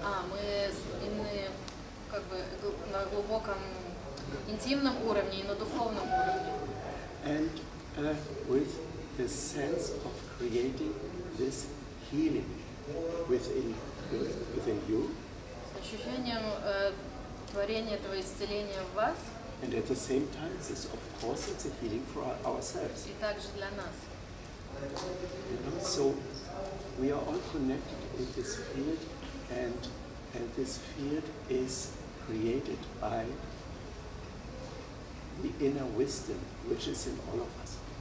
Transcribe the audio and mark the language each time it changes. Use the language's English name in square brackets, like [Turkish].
[Russian] Мы соединены как бы на глубоком интимном уровне и на духовном уровне. [English] And with the sense of creating this healing within you. [Russian] С ощущением творения этого исцеления в вас. [English] And at the same time, this, of course, it's a healing for ourselves. [Russian] И также для нас. [English] You know, so we are all connected in this field, and this field is created by the inner wisdom, which is in all of us.